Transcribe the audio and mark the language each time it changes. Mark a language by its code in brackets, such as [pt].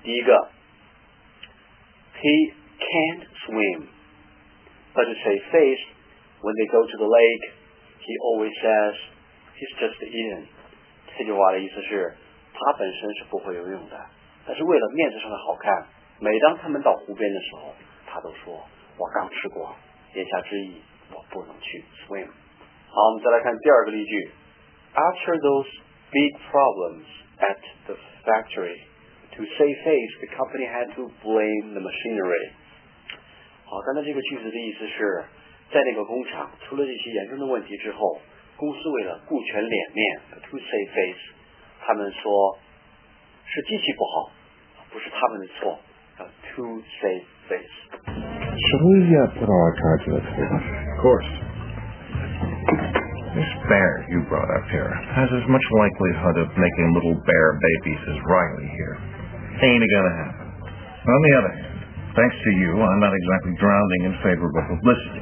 [zh] 第一个 [en] He can't swim, but to save face, when they go to the lake, he always says he's just eaten. [zh] 这句话的意思是他本身是不会游泳的。但是为了面子上的好看，每当他们到湖边的时候，他都说我刚吃过，言下之意我不能去 swim。好，我们再来看第二个例句。 [en] After those big problems at the factory, to save face, the company had to blame the machinery。 [zh] 好，刚才这个句子的意思是，在那个工厂出了这些严重的问题之后，公司为了顾全脸面 [en] to save face, [zh] 他们说是机器不好，不是他们的错。 [en] To save face. Should we put all our cards on the table? Of course. This bear you brought up here has as much likelihood of making little bear babies as Riley here. Ain't it gonna happen. On the other hand, thanks to you, I'm not exactly drowning in favorable publicity.